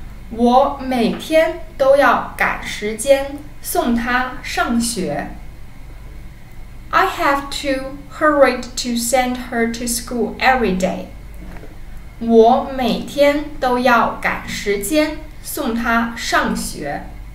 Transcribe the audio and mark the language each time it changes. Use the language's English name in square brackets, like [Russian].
[Chinese] 我每天都要赶时间送他上学。 [English] I have to hurry to send her to school every day. [Chinese] 我每天都要赶时间送她上学。